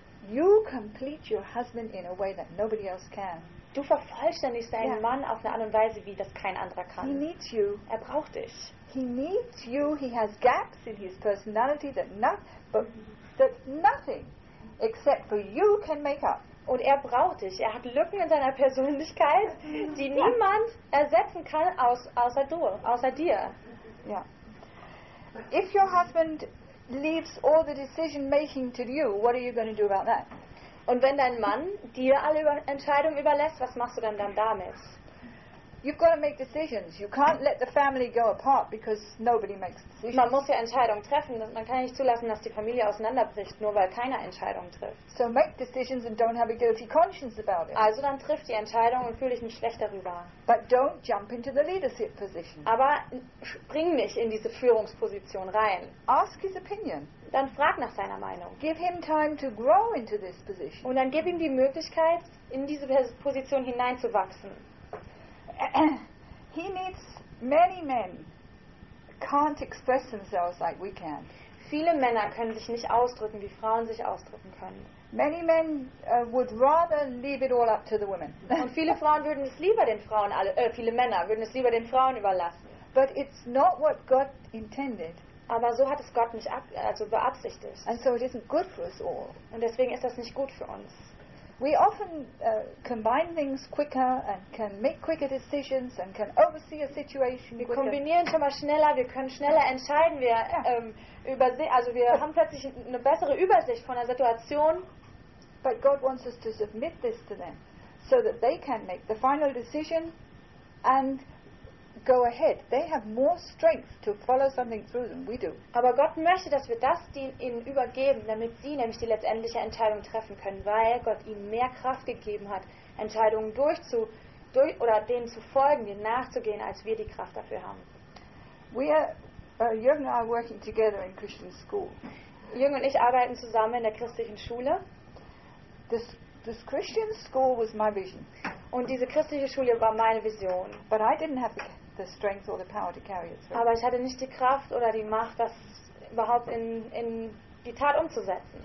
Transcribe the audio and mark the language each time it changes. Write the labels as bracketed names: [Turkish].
[English] You complete your husband in a way that nobody else can. [German] Du vervollständigst deinen Mann auf eine Art und Weise, wie das kein anderer kann. [English] He needs you. [German] Er braucht dich. [English] He needs you. He has gaps in his personality that nothing except for you can make up. [German] Und er braucht dich. Er hat Lücken in seiner Persönlichkeit, die niemand ersetzen kann außer dir. [English] Yeah. If your husband leaves all the decision making to you, what are you going to do about that? [German] Und wenn dein Mann dir alle Entscheidungen überlässt, was machst du dann damit? [English] You've got to make decisions. You can't let the family go apart because nobody makes decisions. [German] Man muss ja Entscheidungen treffen. Man kann nicht zulassen, dass die Familie auseinanderbricht, nur weil keiner Entscheidungen trifft. [English] So make decisions and don't have a guilty conscience about it. [German] Also dann trifft die Entscheidung und fühle dich nicht schlecht darüber. [English] But don't jump into the leadership position. [German] Aber spring nicht in diese Führungsposition rein. [English] Ask his opinion. [German] Dann frag nach seiner Meinung. [English] Give him time to grow into this position. [German] Und dann gib ihm die Möglichkeit, in diese Position hineinzuwachsen. [English] He needs many men can't express themselves like we can. [German] Viele Männer können sich nicht ausdrücken, wie Frauen sich ausdrücken können. [English] Many men would rather leave it all up to the women. [German] Und viele Frauen würden es lieber den Frauen alle, viele Männer würden es lieber den Frauen überlassen. [English] But it's not what God intended. [German] Aber so hat es Gott nicht beabsichtigt. [English] And so it isn't good for us all. [German] Und deswegen ist das nicht gut für uns. [English] We often combine things quicker and can make quicker decisions and can oversee a situation. [German] Wir kombinieren schon mal schneller, wir können schneller entscheiden, wir haben plötzlich eine bessere Übersicht von der Situation. [English] But God wants us to submit this to them, so that they can make the final decision and go ahead. They have more strength to follow something through than we do. [German] Aber Gott möchte, dass wir das ihnen übergeben, damit sie nämlich die letztendliche Entscheidung treffen können, weil Gott ihnen mehr Kraft gegeben hat, Entscheidungen denen zu folgen, denen nachzugehen, als wir die Kraft dafür haben. [English] Jürgen and I are working together in Christian school. [German] Jürgen und ich arbeiten zusammen in der christlichen Schule. [English] This Christian school was my vision. [German] Und diese christliche Schule war meine Vision. [English] But I didn't have the strength or the power to carry it through. [German] Aber ich hatte nicht die Kraft oder die Macht, das überhaupt in die Tat umzusetzen.